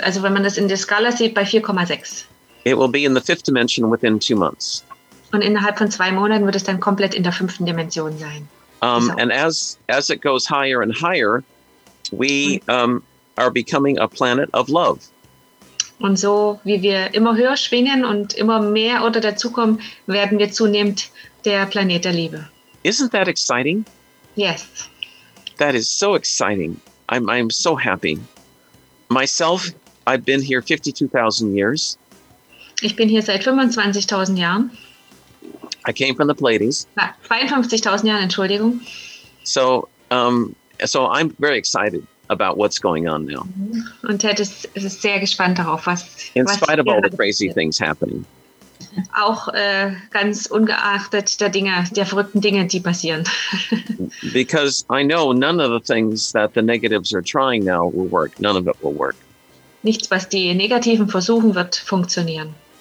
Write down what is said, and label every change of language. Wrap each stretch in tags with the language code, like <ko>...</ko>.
<de>Also wenn man das in der Skala sieht, bei 4,6.</de> <en>It will be in the fifth dimension within 2 months.</en> <de>Und innerhalb von 2 Monaten wird es dann komplett in der fünften Dimension sein.</de> <en>And as it goes higher and higher, we are becoming a planet of love.</en> <de>Und so, wie wir immer höher schwingen und immer mehr oder dazukommen, werden wir zunehmend der Planet der Liebe.</de> <en>Isn't that exciting? Yes. That is so exciting. I'm so happy. Myself, I've been here 52,000 years.</en> <de>Ich bin hier seit 25,000 Jahren.</de> <en>I came from the Pleiades.</en> <de>52,000 Jahren, Entschuldigung.</de> <en>So I'm very excited about what's going on now.</en> <de>Und Ted ist sehr gespannt darauf,</de> <en>spite of all the crazy things happening.</en> <de>Auch ganz ungeachtet der verrückten Dinge, die passieren.</de> <en>Because I know none of the things that the negatives are trying now will work. None of it will work.</en> <de>Nichts, was die Negativen versuchen, wird funktionieren.</de>